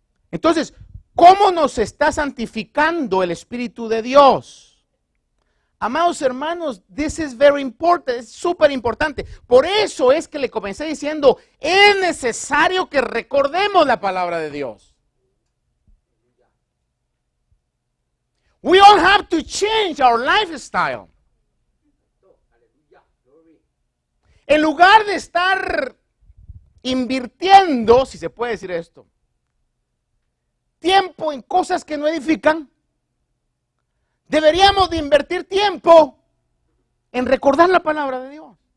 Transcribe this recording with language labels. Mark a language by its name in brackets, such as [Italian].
[Spanish] Entonces, ¿cómo nos está santificando el Espíritu de Dios? Amados hermanos, [English] this is very important, [Spanish] es súper importante. Por eso es que le comencé diciendo, es necesario que recordemos la palabra de Dios. [English] We all have to change our lifestyle. [Spanish] En lugar de estar invirtiendo, si se puede decir esto, tiempo en cosas que no edifican, deberíamos de invertir tiempo en recordar la palabra de Dios.